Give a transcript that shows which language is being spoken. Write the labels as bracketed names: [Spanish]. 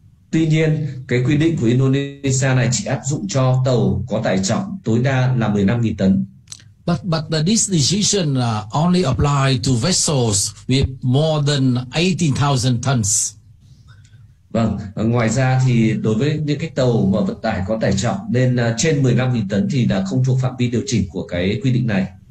[Vietnamese] Tuy nhiên, cái quy định của Indonesia này chỉ áp dụng cho tàu có tải trọng tối đa là 15.000 tấn. [English] But this decision only apply to vessels with more than 18,000 tons. [Vietnamese] Vâng, ngoài ra thì đối với những cái tàu mà vận tải có tải trọng lên trên 15.000 tấn thì đã không thuộc phạm vi điều chỉnh của cái quy định này.